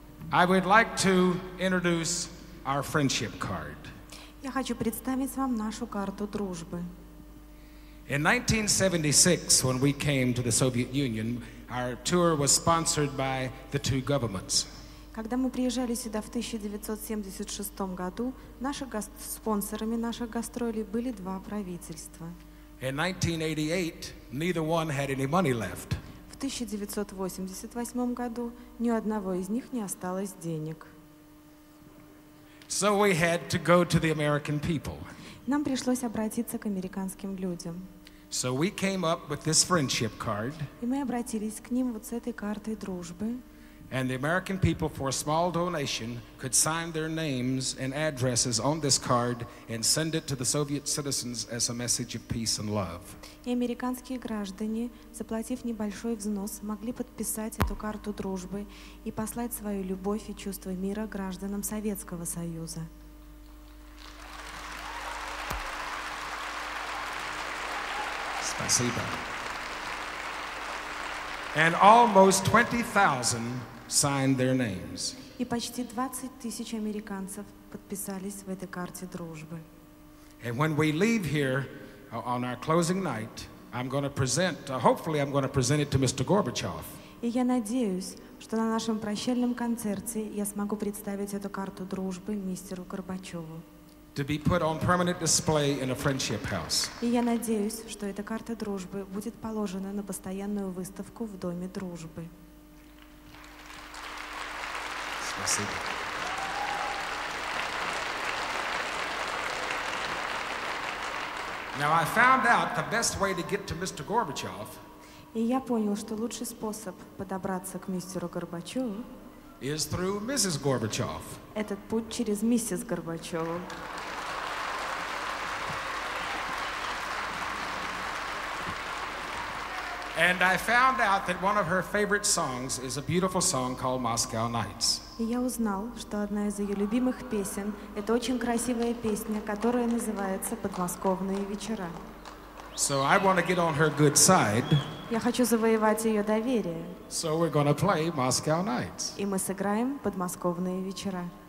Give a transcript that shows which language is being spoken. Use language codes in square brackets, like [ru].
[en] I would like to introduce our friendship card. [ru] Я хочу представить вам нашу карту дружбы. [en] In 1976, when we came to the Soviet Union, our tour was sponsored by the two governments. [ru] Когда мы приезжали сюда в 1976 году, спонсорами наших гастролей были два правительства. [en] In 1988, neither one had any money left. [ru] В 1988 году ни одного из них не осталось денег. [en] So we had to go to the American people. [ru] Нам пришлось обратиться к американским людям. [en] So we came up with this friendship card. [ru] И мы обратились к ним вот с этой картой дружбы. [en] And the American people, for a small donation, could sign their names and addresses on this card and send it to the Soviet citizens as a message of peace and love. [ru] И американские граждане, заплатив небольшой взнос, могли подписать эту карту дружбы и послать свою любовь и чувство мира гражданам Советского Союза. Спасибо. [en] And almost 20,000 signed their names. [ru] И почти 20,000 американцев подписались в этой карте дружбы. [en] And when we leave here on our closing night, I'm going to present, hopefully I'm going to present it to Mr. Gorbachev. [ru] И я надеюсь, что на нашем прощальном концерте я смогу представить эту карту дружбы мистеру Горбачеву. [en] To be put on permanent display in a friendship house. [ru] И я надеюсь, что эта карта дружбы будет положена на постоянную выставку в Доме дружбы. Спасибо. [en] Now I found out the best way to get to Mr. Gorbachev. [ru] И я понял, что лучший способ подобраться к мистеру Горбачеву [en] is through Mrs. Gorbachev. [ru] Этот путь через миссис Горбачеву. [en] And I found out that one of her favorite songs is a beautiful song called Moscow Nights. [ru] И я узнал, что одна из ее любимых песен — это очень красивая песня, которая называется «Подмосковные вечера». [en] So I want to get on her good side. [ru] Я хочу завоевать ее доверие. [en] So we're going to play Moscow Nights. [ru] И мы сыграем «Подмосковные вечера».